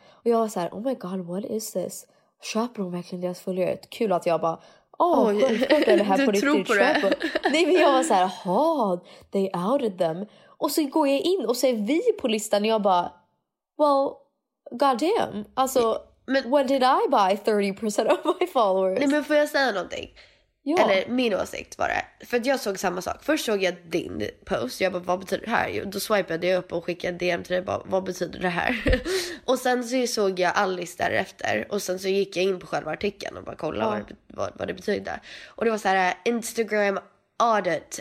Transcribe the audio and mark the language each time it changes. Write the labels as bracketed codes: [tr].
[sv] Och jag var så här, [en] oh my god, what is this? [sv] Köper de verkligen deras följare? Kul att jag bara, självklart är det här på riktigt, köper. Nej, men jag var så här, [en] they outed them. [sv] Och så går jag in och ser vi på listan och jag bara, [en] well, goddamn. [sv] Alltså, men, [en] when did I buy 30% of my followers? [sv] Nej, men får jag säga någonting? Ja. Eller min åsikt var det. För att jag såg samma sak. Först såg jag din post. Jag bara, vad betyder det här? Då swipade jag upp och skickade en DM till dig. Bara, vad betyder det här? Och sen så såg jag Alice därefter. Och sen så gick jag in på själva artikeln. Och bara kollade vad det betydde. Och det var så här, Instagram audit.